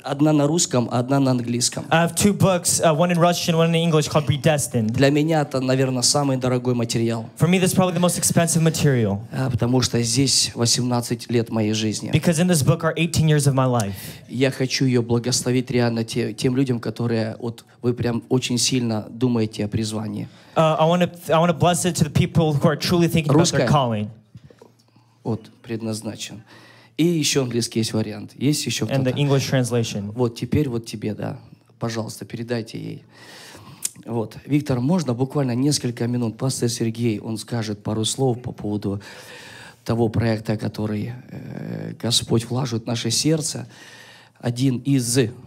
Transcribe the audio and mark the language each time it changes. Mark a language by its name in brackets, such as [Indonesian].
[Russian] Одна на русском, одна на английском. [English] I have two books, one in Russian, one in English, called «Predestined». [Russian] Для меня это, наверное, самый дорогой материал. [English] For me, this is probably the most expensive material. [Russian] Потому что здесь 18 лет моей жизни. [English] Because in this book are 18 years of my life. [Russian] Я хочу ее благословить реально тем людям, которые вот вы прям очень сильно думаете о призвании. [English] I want to bless it to the people who are truly thinking [Russian] Русская. [English] About their calling. [Russian] Вот, предназначен. И еще английский есть вариант. Есть еще кто-то? [English] And the English translation. [Russian] Вот, теперь вот тебе, да. Пожалуйста, передайте ей. Вот. Виктор, можно буквально несколько минут? Пастор Сергей, он скажет пару слов по поводу того проекта, который Господь вложит в наше сердце. Один из...